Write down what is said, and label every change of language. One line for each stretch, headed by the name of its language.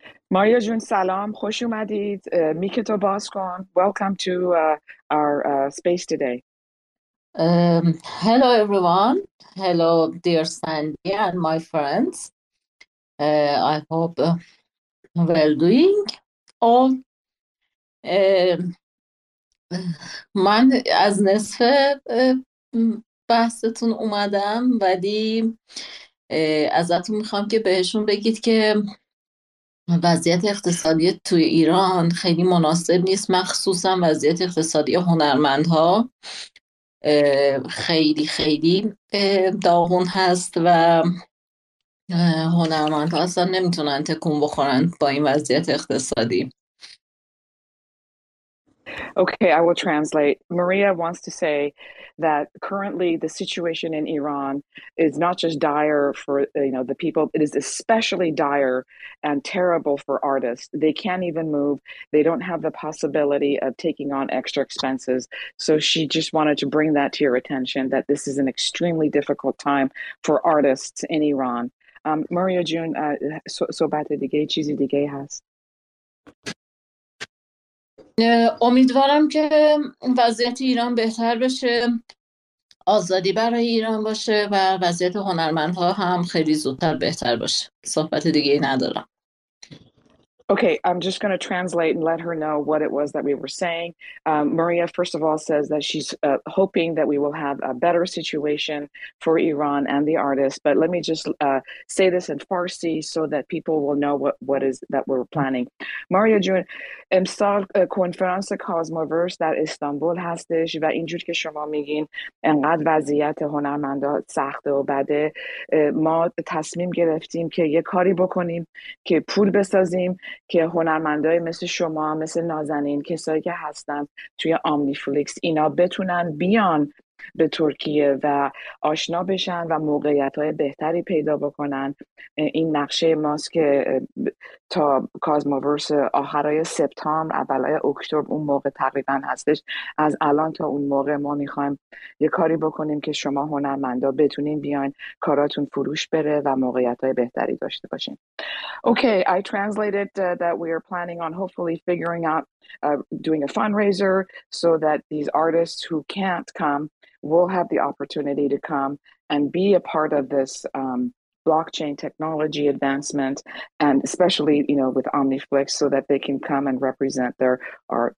Persian: Maria Jun Salam, Khosh Umadid, Mikito Baskon,
English: welcome to our space today. Hello everyone. Hello dear Sandy and my friends. I hope well doing, or
Persian: من از نصف بحثتون اومدم ولی ازتون میخوام که بهشون بگید که وضعیت اقتصادی توی ایران خیلی مناسب نیست، مخصوصا وضعیت اقتصادی هنرمندها خیلی خیلی داغون هست و هنرمندها اصلا نمیتونن تکون بخورن با این وضعیت اقتصادی.
English: Okay, I will translate. Maria wants to say that currently the situation in Iran is not just dire for, you know, the people, it is especially dire and terrible for artists. They can't even move. They don't have the possibility of taking on extra expenses. So she just wanted to bring that to your attention, that this is an extremely difficult time for artists in Iran.
Persian: Maria June, sohbat dige chizi dige hast. امیدوارم که وضعیت ایران بهتر بشه، آزادی برای ایران باشه و وضعیت هنرمندها هم خیلی زودتر بهتر باشه. صحبت دیگه ندارم.
English: Okay, I'm just going to translate and let her know what it was that we were saying. Maria, first of all, says that she's hoping that we will have a better situation for Iran and the artists. But let me just say this in Farsi so that people will know what is that we're planning.
Persian: Maria جون، امسال کنفرانس کازموورس در استانبول هستش و اینجور که شما میگین انقدر وضعیت هنرمندا سخت و بده، ما تصمیم گرفتیم که یه کاری بکنیم که پول بسازیم که هنرمندای مثل شما، مثل نازنین، کسایی که هستن توی آمنیفلیکس، اینا بتونن بیان به ترکیه و آشنا بشن و موقعیت‌های بهتری پیدا بکنن. این نقشه ماست که تا کازموورس آخرای سپتامبر، اولای اکتبر، اون موقع تقریبا هستش، از الان تا اون موقع ما میخوایم یه کاری بکنیم که شما هنرمندا بتونین بیان کاراتون فروش بره و موقعیت‌های بهتری داشته باشین.
English: Okay, I translated that we are planning on hopefully figuring out doing a fundraiser so that these artists who can't come will have the opportunity to come and be a part of this blockchain technology advancement, and especially, you know, with OmniFlix, so that they can come and represent their art.